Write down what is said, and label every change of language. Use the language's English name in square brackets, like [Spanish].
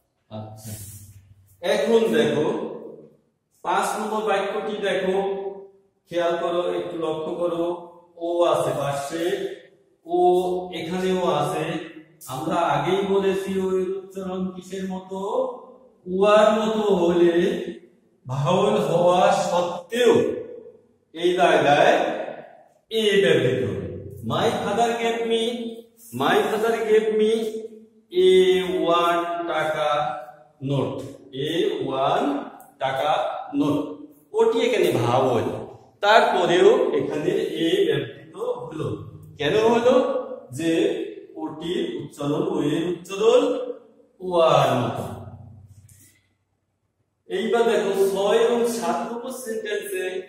[Bangla] আচ্ছা এখন দেখো পাঁচ নম্বর বাক্যটি দেখো, খেয়াল করো একটু লক্ষ্য করো, ও আছে পাশে, ও এখানেও আছে, আমরা আগেই বলেছি ওই উচ্চারণ কিসের মতো, ওয়ার মতো হলে ভাওয়েল হওয়া সত্ত্বেও এই জায়গায় এ ব্যবহৃত হবে। [English] My father gave me My father gave me a one taka note. A one taka note. [Bangla] ওটি এখানে ভাব হল তারপরেও এখানে এ ব্যবহৃত হলো কেন হলো যে ওটি উচ্চারণ ও এর উচ্চারণ ওয়ান এইবার দেখো ছয় এবং সাত নম্বর সেন্টেন্সে